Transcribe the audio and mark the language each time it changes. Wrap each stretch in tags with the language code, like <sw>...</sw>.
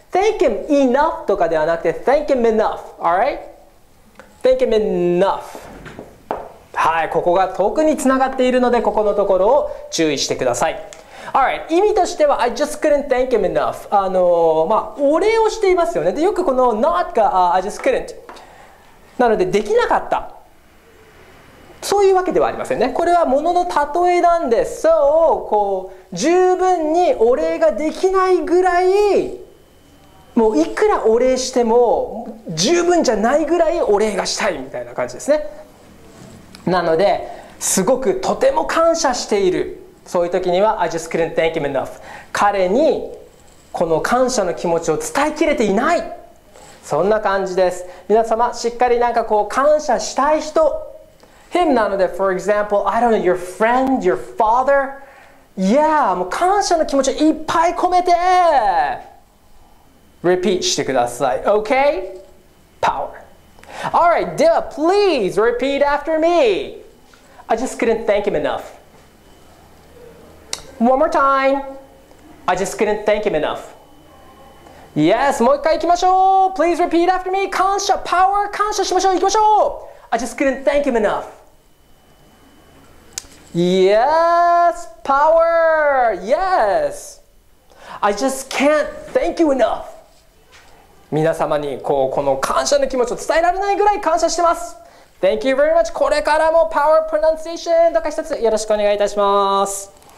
<en>Thank him enough</en> <ja>とかではなくて、</ja> <en>Thank him enough. Alright? Thank him enough.</en> <ja>はい、ここが特につながっているので、ここのところを注意してください。</ja> <en>Alright,</en> <ja>意味としては、</ja> <en>I just couldn't thank him enough.</en> <ja>お礼をしていますよね。で、よくこの not が、</ja> <en>I just couldn't.</en> <ja>なので、できなかった。そういうわけではありませんね。これはものの例えなんです。 So, こう十分にお礼ができないぐらい、もういくらお礼しても十分じゃないぐらいお礼がしたいみたいな感じですね。なのですごくとても感謝している、そういう時には</ja> <en>I just couldn't thank him enough、</en> <ja>彼にこの感謝の気持ちを伝えきれていない、そんな感じです。皆様しっかりなんかこう感謝したい人 him なので、</ja> <en>for example I don't know your friend, your father、</en> <ja>yeah、 もう感謝の気持ちをいっぱい込めて repeat してください。</ja> <en>OK? Power。 Alright, では please repeat after meI just couldn't thank him enough. One more time. I just couldn't thank him enough. Yes,</en> <ja>もう一回行きましょう。</ja> <en>Please repeat after me.</en> <ja>感謝、power、感謝しましょう。行きましょう。</ja> <en>I just couldn't thank him enough. Yes, power. Yes. I just can't thank you enough.</en> <ja>皆様にこう、この感謝の気持ちを伝えられないぐらい感謝してます。</ja> <en>Thank you very much.</en> <ja>これからも Power Pronunciation とか一つよろしくお願いいたします。</ja>